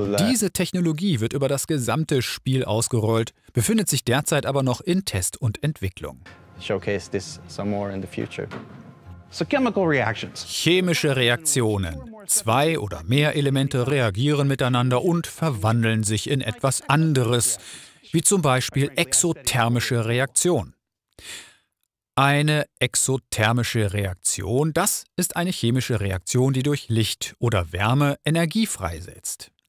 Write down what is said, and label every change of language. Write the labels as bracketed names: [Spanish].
[German] Diese Technologie wird über das gesamte Spiel ausgerollt, befindet sich derzeit aber noch in Test und Entwicklung. [English] Showcase this some more in the future. So chemical reactions. [German] Chemische Reaktionen. Zwei oder mehr Elemente reagieren miteinander und verwandeln sich in etwas anderes, wie zum Beispiel exothermische Reaktion. Eine exothermische Reaktion, das ist eine chemische Reaktion, die durch Licht oder Wärme Energie freisetzt.